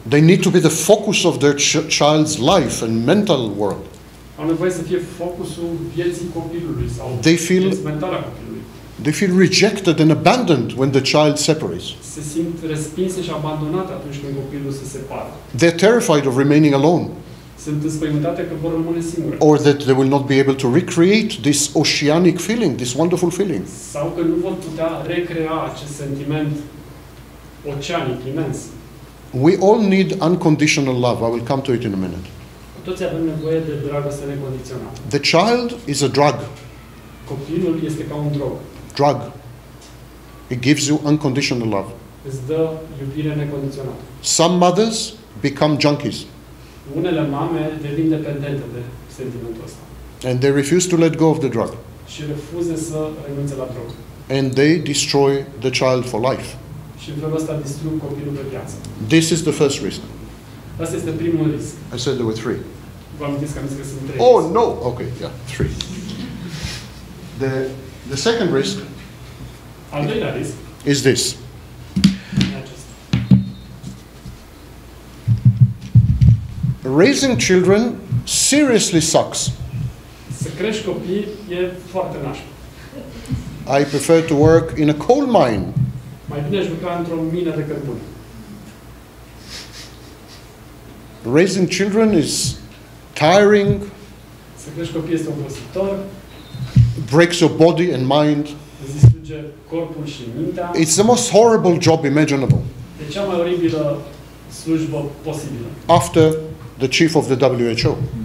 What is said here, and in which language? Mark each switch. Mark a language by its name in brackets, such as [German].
[English] They need to be the focus of their child's life and mental world. [Romanian] Au nevoie să fie focusul vieții copilului sau vieții mentale a copilului. [English] They feel rejected and abandoned when the child separates. [Romanian] Se simt respinse și abandonate atunci când copilul se separă. [English] They're terrified of remaining alone. [Romanian] Sunt înspăimântate că vor rămâne singure. [English] Or that they will not be able to recreate this oceanic feeling, this wonderful feeling. [Romanian] Sau că nu vor putea recrea acest sentiment oceanic, imens. [English] We all need unconditional love. I will come to it in a minute. [Romanian] Toți avem nevoie de dragoste necondiționată. [English] The child is a drug. [Romanian] Copilul este ca un drog. [English] Drug. It gives you unconditional love. [Romanian] Îți dă iubire necondiționată. [English] Some mothers become junkies. [Romanian] Unele mame devin dependente de sentimentul ăsta. [English] And they refuse to let go of the drug. [Romanian] Și refuză să renunțe la drog. [English] And they destroy the child for life. [Romanian] Și în felul ăsta distrug copilul pe viață. [English] This is the first risk. [Romanian] Asta este primul risc. [English] I said there were three. [Romanian] Vă amintesc că am zis că sunt trei. [English] Oh, no! Okay, yeah, three. The second risk, [Romanian] al doilea risc, [English] is this. Raising children seriously sucks. [Romanian] Să crești copii e foarte nașpa. [English] I prefer to work in a coal mine. [Romanian] Mai bine aș lucra într-o mină de cărbune. [English] Raising children is tiring. [Romanian] Să crești copii este obositor. [English] Breaks your body and mind. [Romanian] Distruge corpul și mintea. [English] It's the most horrible job imaginable. [Romanian] E cea mai oribilă slujbă posibilă. [English] After the chief of the WHO.